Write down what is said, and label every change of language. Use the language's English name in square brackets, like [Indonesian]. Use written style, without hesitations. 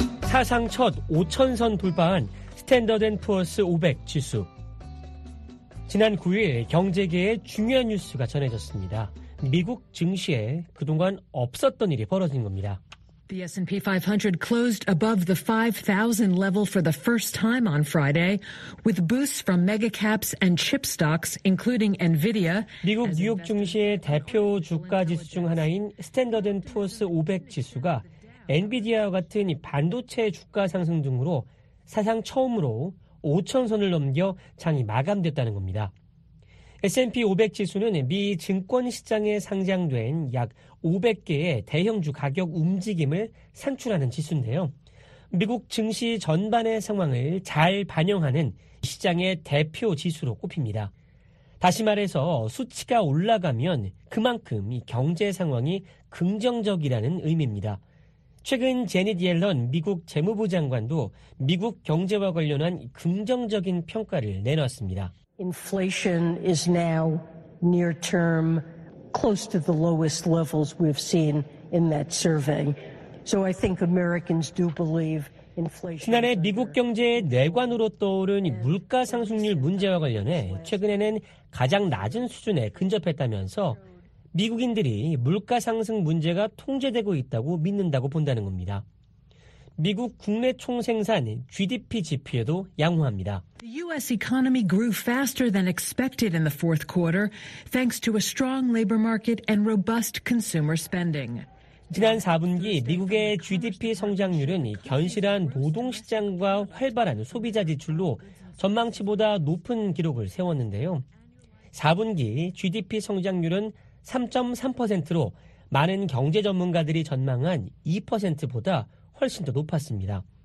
[Korean] 사상 첫 5천선 돌파한 스탠더드 앤 푸어스 500 지수. 지난 9일 경제계의 중요한 뉴스가 전해졌습니다. 미국 증시에 그동안 없었던 일이 벌어진 겁니다. [English] The S&P 500 closed above the 5,000 level for the first time on Friday with boosts from mega caps and chip stocks including Nvidia. [Korean] 미국 뉴욕 증시의 대표 주가 지수 중 하나인 스탠더드 푸어스 500 지수가 엔비디아와 같은 반도체 주가 상승 등으로 사상 처음으로 5,000선을 넘겨 장이 마감됐다는 겁니다. S&P 500 지수는 미 증권시장에 상장된 약 500개의 대형주 가격 움직임을 산출하는 지수인데요. 미국 증시 전반의 상황을 잘 반영하는 시장의 대표 지수로 꼽힙니다. 다시 말해서 수치가 올라가면 그만큼 이 경제 상황이 긍정적이라는 의미입니다. 최근 제닛 옐런 미국 재무부 장관도 미국 경제와 관련한 긍정적인 평가를 내놨습니다. [English] Inflation is now near term close to the lowest levels we've seen in that survey. So I think Americans do believe inflation. [Korean] 지난해 미국 경제의 내관으로 떠오른 물가 상승률 문제와 관련해 최근에는 가장 낮은 수준에 근접했다면서 미국인들이 물가 상승 문제가 통제되고 있다고 믿는다고 본다는 겁니다. 미국 국내 총생산 GDP 지표에도 양호합니다. [English] The US economy grew faster than expected in the fourth quarter thanks to a strong labor market and robust consumer spending. [Korean] 지난 4분기 미국의 GDP 성장률은 견실한 노동 시장과 활발한 소비자 지출로 전망치보다 높은 기록을 세웠는데요. 4분기 GDP 성장률은 3.3%로 많은 경제 전문가들이 전망한 2%보다 훨씬 더 높았습니다.